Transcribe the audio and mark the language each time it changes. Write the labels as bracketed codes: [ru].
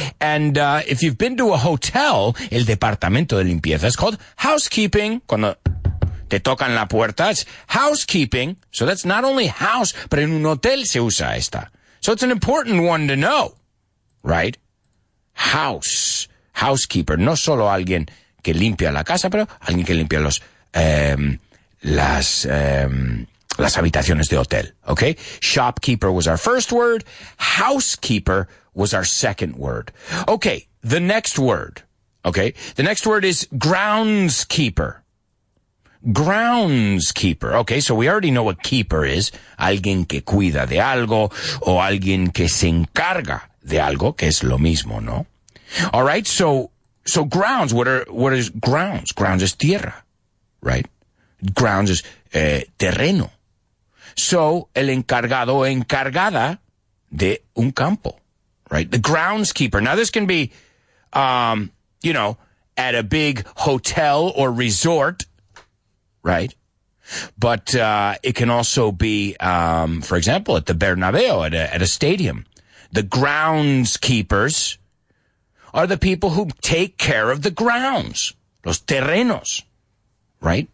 [en] And if you've been to a hotel, [es] el departamento de limpieza [en] is called housekeeping. [es] Cuando te tocan la puerta, [en] it's housekeeping. So that's not only house, but [es] en un hotel se usa esta. [en] So it's an important one to know, right? House, housekeeper. [es] No solo alguien que limpia la casa, pero alguien que limpia los las habitaciones de hotel, okay? [en] Shopkeeper was our first word. Housekeeper was our second word. Okay, the next word, okay? The next word is groundskeeper. Groundskeeper, okay? So we already know what keeper is. [es] Alguien que cuida de algo o alguien que se encarga de algo, que es lo mismo, ¿no? [en] All right, so grounds, what is grounds? Grounds is tierra. Right? Grounds is terreno. [es] So, el encargado o encargada de un campo. [en] right? The groundskeeper. Now, this can be, you know, at a big hotel or resort, right? But it can also be, for example, at the Bernabeu, at a stadium. The groundskeepers are the people who take care of the grounds, los terrenos, right?